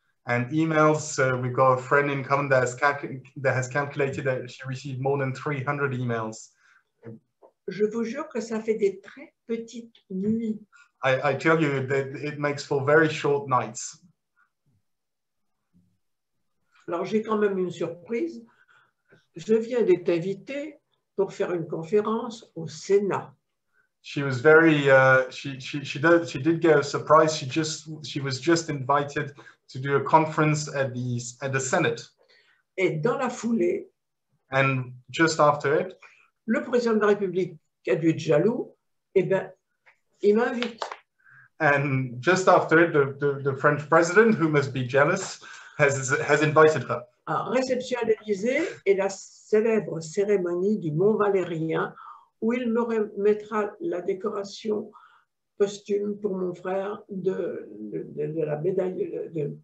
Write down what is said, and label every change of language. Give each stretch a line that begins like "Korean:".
English: And emails, we've got a friend in common that has calculated that she received more than 300 emails.
French: Je vous jure que ça fait des très petites nuits.
English: I tell you that it makes for very short nights.
French: Alors j'ai quand même une surprise. Je viens d'être invitée pour faire une conférence au Sénat.
English: She was very she did get a surprise. She was just invited to do a conference at the Senate.
French: Et dans la foulée.
English: And just after it.
French: Le président de la République qui a dû être jaloux, eh ben, il m'invite.
English: And just after it, the French president, who must be jealous, has invited her.
French: À réception à l'Élysée et la célèbre cérémonie du Mont Valérien, où il me remettra la décoration posthume pour mon frère de la médaille de.